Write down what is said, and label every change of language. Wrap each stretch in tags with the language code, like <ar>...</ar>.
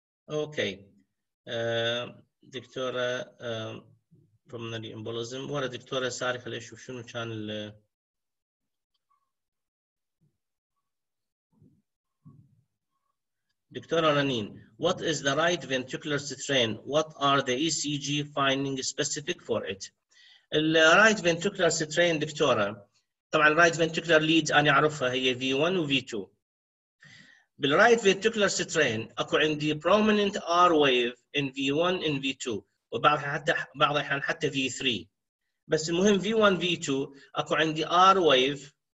<ar>أوكي دكتورة pulmonary embolism ورا دكتورة ساري خلي أشوف شنو كان ال Dr.</ar> <en>Ranin, what is the right ventricular strain? What are the ECG findings specific for it? The right ventricular strain, Dr.</en> <ar>طبعا right ventricular lead أنا أعرفها هي V1 و V2. بال right ventricular strain أكو عندي</ar> <en>prominent R wave in V1 and V2</en> <ar>وبعضها حتى بعض الأحيان حتى V3. بس المهم V1 V2 أكو عندي R wave.</ar>